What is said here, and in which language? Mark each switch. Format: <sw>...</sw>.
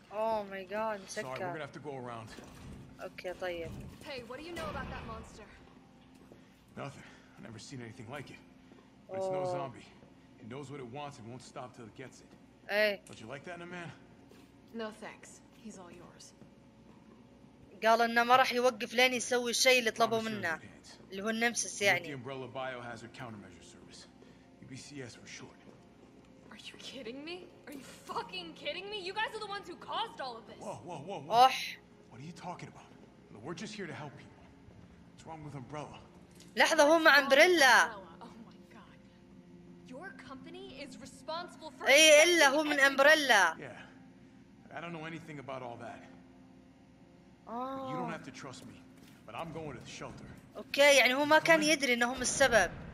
<en>Oh my god,</en> <ar>سكر.</ar> <en>Sorry, we're gonna have to go around. Okay,</en> <ar>طيب.</ar> <en>Hey, what do you know about that monster? Nothing. I never seen anything like it. But it's no zombie. It knows what it wants and won't stop till it gets it. Hey. Don't you like that in a man? No thanks. He's all yours.</en> <ar>قال انه ما راح يوقف لين يسوي الشيء اللي طلبوه منه اللي هو النمسس يعني</ar> <en>Umbrella Biohazard Countermeasure Service UBCS for short. Are you kidding me? Are you fucking kidding me? You guys are the ones who caused all of this. Whoa. أوح. What are you talking about? Well, we're just here to help people. What's wrong with Umbrella?</en> <ar>لحظه هو مع امبريلا.</ar> <en>Oh my god. Your company is responsible for</en> <ar>اي الا هو من امبريلا.</ar> <en>Yeah. I don't know anything about all that. You don't have to trust me, but I'm going to the shelter. Okay,</en> <ar>يعني هو ما كان يدري انهم السبب.</ar>